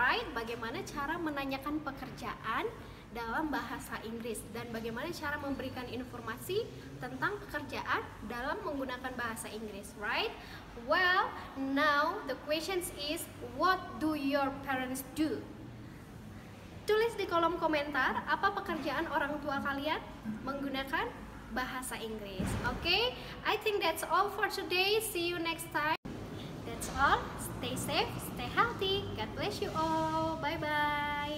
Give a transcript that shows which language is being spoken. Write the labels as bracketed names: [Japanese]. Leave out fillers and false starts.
[Indonesian] Bagaimana cara menanyakan pekerjaan dalam bahasa Inggris dan bagaimana cara memberikan informasi tentang pekerjaan dalam menggunakan bahasa Inggris, right? [English] Well, now the question is, what do your parents do? [Indonesian] Tulis di kolom komentar apa pekerjaan orang tua kalian menggunakan bahasa Inggris. [English] Okay, I think that's all for today. See you next time. That's all. Stay safe, stay healthy. God bless you all. Bye-bye.